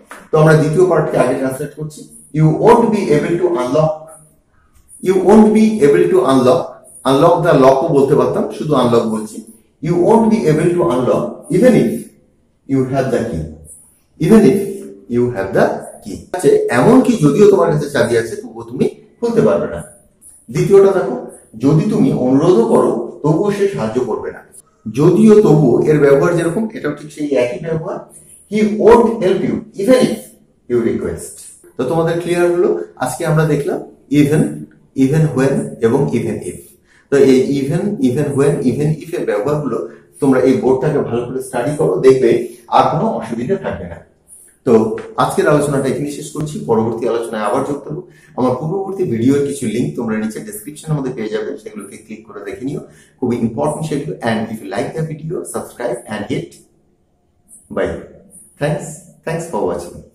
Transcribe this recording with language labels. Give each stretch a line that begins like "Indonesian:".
Bangla: তো আমরা দ্বিতীয় পার্টকে আগে ট্রান্সলেট করছি,
English: you won't be able to unlock, you won't be able to unlock, unlock the লকও বলতে পারতাম,
Bangla: শুধু আনলক বলছি,
English: you won't be able to unlock even if you have the key, even if you have the key,
Bangla: এমনকি যদিও তোমার কাছে চাবি আছে তবুও তুমি খুলতে পারবে না। দ্বিতীয়টা দেখো, যদি তুমি অনুরোধও করো তবুও সে সাহায্য করবে না, যদিও তবুও এর ব্যবহার যেরকম এটাও ঠিক সেই একই ব্যবহার।
English: He won't help you even if you request.
Bangla: তো তোমাদের ক্লিয়ার হলো আজকে আমরা দেখলাম ইভেন ইভেন ওয়েন এবং ইভেন ইফ তো এই even even when even if এর ব্যবহার গুলো তোমরা এই বোর্ডটাকে ভালো করে স্টাডি করো দেখবে আর কোনো অসুবিধা থাকবে না তো আজকের আলোচনাটা এখানে শেষ করছি পরবর্তী আলোচনায় আবার যোগ দেবো আমার পূর্ববর্তী ভিডিওর কিছু লিঙ্ক তোমরা নিচে ডিসক্রিপশনের মধ্যে পেয়ে যাবে সেগুলোকে ক্লিক করে দেখে নিও খুবই ইম্পর্টেন্ট সেগুলো
English: and if you like the video subscribe and hit bye thanks for watching